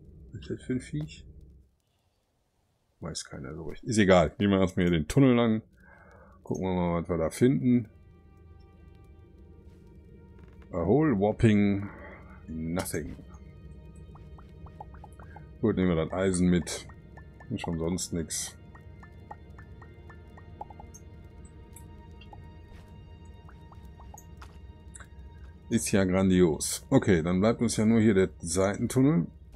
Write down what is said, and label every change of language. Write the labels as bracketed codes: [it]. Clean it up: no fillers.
[de] Was ist das für ein Viech? Weiß keiner so recht. Ist egal. Gehen wir erstmal hier den Tunnel lang. Gucken wir mal, was wir da finden. [en] A whole whopping nothing. [de] Gut, nehmen wir das Eisen mit. Und schon sonst nichts. Ist ja grandios. Okay, dann bleibt uns ja nur hier der Seitentunnel.